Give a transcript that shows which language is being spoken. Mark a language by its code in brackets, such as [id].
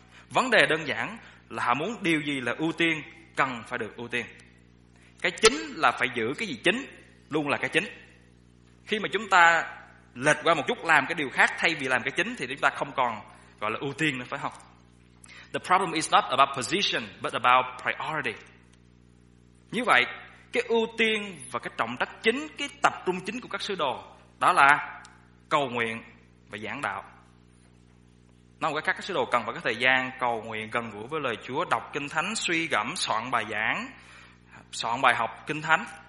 [vi] Vấn đề đơn giản là họ muốn điều gì là ưu tiên, cần phải được ưu tiên. Cái chính là phải giữ cái gì chính, luôn là cái chính. Khi mà chúng ta lệch qua một chút làm cái điều khác thay vì làm cái chính, thì chúng ta không còn gọi là ưu tiên nữa, phải không? [en] The problem is not about position, but about priority. [vi] Như vậy, cái ưu tiên và cái trọng trách chính, cái tập trung chính của các sứ đồ, đó là cầu nguyện và giảng đạo. Nói một cách khác, các sứ đồ cần phải có thời gian cầu nguyện gần gũi với lời Chúa, đọc kinh thánh, suy gẫm, soạn bài giảng, soạn bài học kinh thánh.